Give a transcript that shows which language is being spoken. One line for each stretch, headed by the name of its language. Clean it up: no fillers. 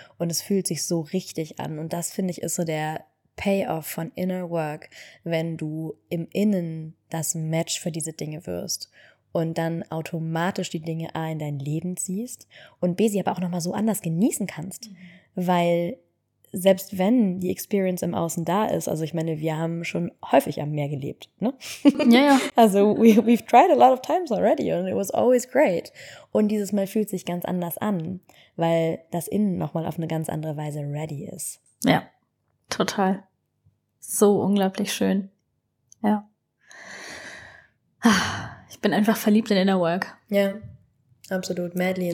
German: Und es fühlt sich so richtig an. Und das, finde ich, ist so der Payoff von Inner Work, wenn du im Innen das Match für diese Dinge wirst. Und dann automatisch die Dinge A in dein Leben ziehst und B sie aber auch nochmal so anders genießen kannst. Weil selbst wenn die Experience im Außen da ist, also ich meine, wir haben schon häufig am Meer gelebt, ne? Ja, ja.
English: Also we've tried a lot of times already and it was always great.
German: Und dieses Mal fühlt sich ganz anders an, weil das Innen nochmal auf eine ganz andere Weise ready ist. Ja, total. So unglaublich schön. Ja. Ich bin einfach verliebt in Inner Work. Ja, absolut.
English: Madly in